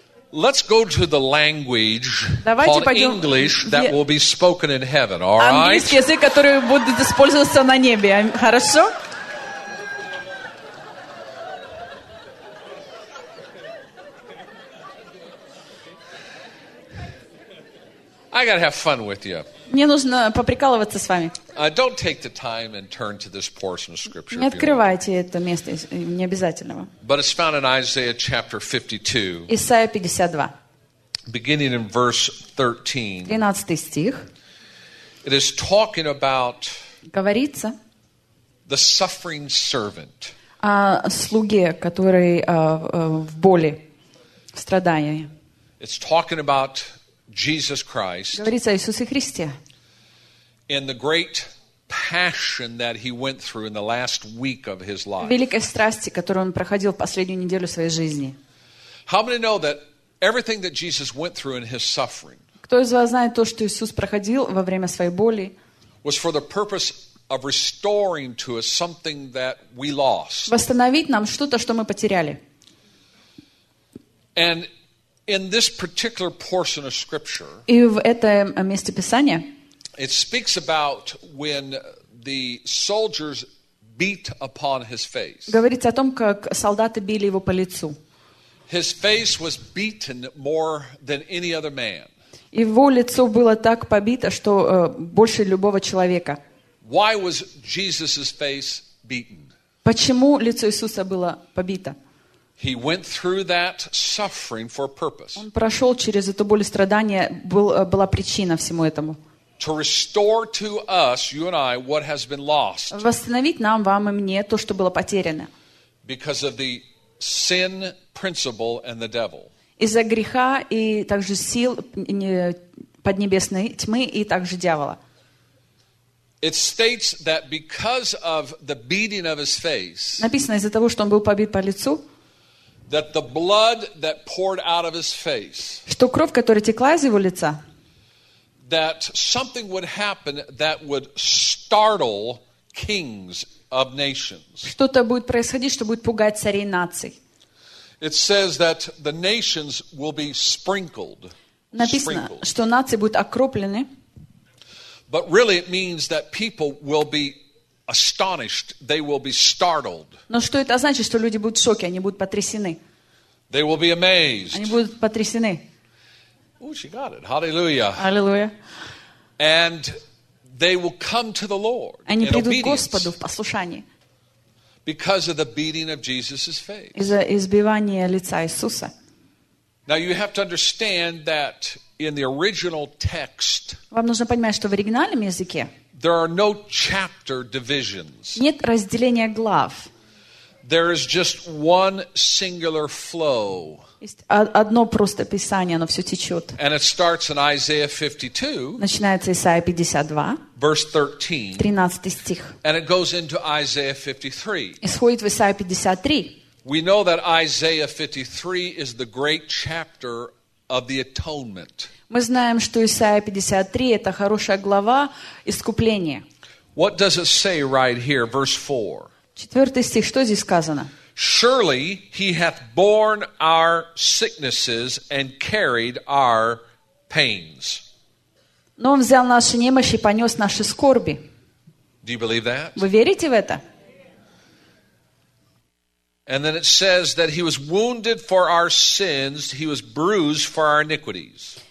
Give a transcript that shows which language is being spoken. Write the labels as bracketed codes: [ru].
[en] Let's go to the language called English that will be spoken in heaven, all right? [ru] Английский язык, который будет использоваться на небе, хорошо? [en] I gotta have fun with you. [ru] Мне нужно поприкалываться с вами. [en] Don't take the time and turn to this portion of scripture. [ru] Не открывайте это место, не обязательно. [en] But it's found in Isaiah chapter 52. [ru] Исайя 52. [en] Beginning in verse 13. [ru] 13 стих. [en] It is talking about. [ru] Говорится. [en] The suffering servant. [ru] О слуге, который в боли, в страдании. [en] It's talking about Jesus Christ. [ru] Говорится о Иисусе Христе. [en] And the great passion that he went through in the last week of his life. [ru] Великой страсти, которую он проходил последнюю неделю своей жизни. [en] How many know that everything that Jesus went through in his suffering? [ru] Кто из вас знает то, что Иисус проходил во время своей боли? [en] Was for the purpose of restoring to us something that we lost. [ru] Восстановить нам что-то, что мы потеряли. [en] And in this particular portion of scripture. [ru] И в этом месте Писания. [en] It speaks about when the soldiers beat upon his face. [ru] Говорится о том, как солдаты били его по лицу. [en] His face was beaten more than any other man. [ru] Его лицо было так побито, что больше любого человека. [en] Why was Jesus' face beaten? [ru] Почему лицо Иисуса было побито? [en] He went through that suffering for a purpose. [ru] Он прошел через эту боль и страдания, была причина всему этому. [en] To restore to us, you and I, what has been lost. [ru] Восстановить нам, вам и мне, то, что было потеряно. [en] Because of the sin principle and the devil. [ru] Из-за греха и также сил поднебесной тьмы и также дьявола. [en] It states that because of the beating of his face. [ru] Написано из-за того, что он был побит по лицу. [en] That the blood that poured out of his face. [ru] Что кровь, которая текла из его лица. [en] That something would happen that would startle kings of nations. [ru] Что-то будет происходить, что будет пугать царей наций. [en] It says that the nations will be sprinkled. [ru] Написано, что нации будут окроплены. [en] But really it means that people will be astonished, they will be startled. [ru] Но что это значит, что люди будут в шоке, они будут потрясены. [en] They will be amazed. [ru] Они будут потрясены. [en] Oh, she got it. Hallelujah. Hallelujah. And they will come to the Lord. [ru] Они придут к Господу в послушании. [en] Because of the beating of Jesus' face. [ru] Из-за избивания лица Иисуса. [en] Now you have to understand that in the original text. [ru] Вам нужно понимать, что в оригинальном языке. [en] There are no chapter divisions. [ru] Нет разделения глав. [en] There is just one singular flow. [ru] Одно просто писание, оно все течет. [en] And it starts in Isaiah 52. [ru] Начинается Исайя 52. [en] Verse 13. [ru] 13 стих. [en] And it goes into Isaiah 53. [ru] Исходит в Исайя 53. [en] We know that Isaiah 53 is the great chapter of the atonement. [ru] Мы знаем, что Исайя 53 это хорошая глава искупления. [en] What does it say right here, verse 4? [ru] 4 стих, что здесь сказано? [en] Surely he hath borne our sicknesses and carried our pains. [ru] Но он взял наши немощи и понес наши скорби. [en] Do you believe that? [ru] Вы верите в это? [en] And then it says that he was wounded for our sins, he was bruised for our iniquities.